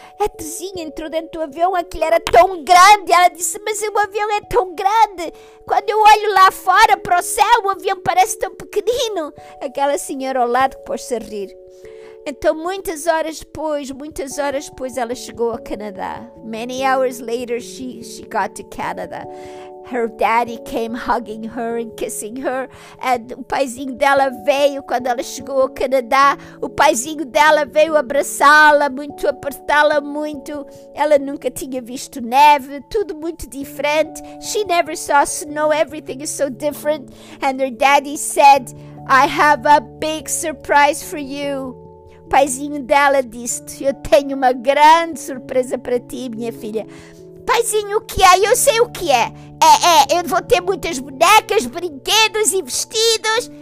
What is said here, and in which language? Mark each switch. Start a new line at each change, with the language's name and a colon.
Portuguese: A Terezinha entrou dentro do avião, aquilo era tão grande. Ela disse, mas o avião é tão grande. Quando eu olho lá fora para o céu, o avião parece tão pequenino. Aquela senhora ao lado que pôs-se a rir. Então, muitas horas depois, ela chegou ao Canadá.
English: Many hours later, she got to Canada. Her daddy came hugging her and kissing her.
Portuguese: And o paizinho dela veio quando ela chegou ao Canadá. O paizinho dela veio abraçá-la muito, apertá-la muito. Ela nunca tinha visto neve. Tudo muito diferente.
English: She never saw snow. Everything is so different. And her daddy said, I have a big surprise for you.
Portuguese: O paizinho dela disse, eu tenho uma grande surpresa para ti, minha filha. Paizinho, o que é? Eu sei o que é. É, eu vou ter muitas bonecas, brinquedos e vestidos.